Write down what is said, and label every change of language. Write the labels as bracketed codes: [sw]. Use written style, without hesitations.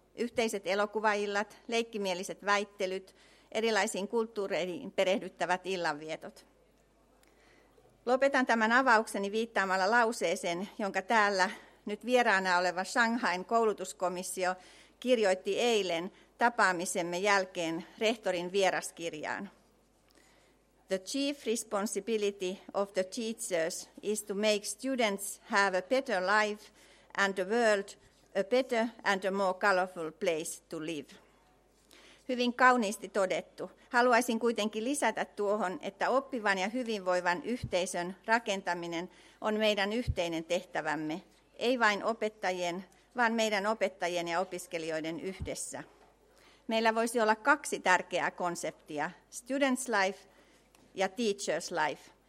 [fi] Yhteiset elokuvaillat, leikkimieliset väittelyt, erilaisiin kulttuureihin perehdyttävät illanvietot. Lopetan tämän avaukseni viittaamalla lauseeseen, jonka täällä nyt vieraana oleva Shanghain koulutuskomissio kirjoitti eilen tapaamisemme jälkeen rehtorin vieraskirjaan. [en] The chief responsibility of the teachers is to make students have a better life and the world a better and a more colorful place to live. [fi] Hyvin kauniisti todettu. Haluaisin kuitenkin lisätä tuohon, että oppivan ja hyvinvoivan yhteisön rakentaminen on meidän yhteinen tehtävämme, ei vain opettajien, vaan meidän opettajien ja opiskelijoiden yhdessä. Meillä voisi olla kaksi tärkeää konseptia, Students Life ja Teachers Life.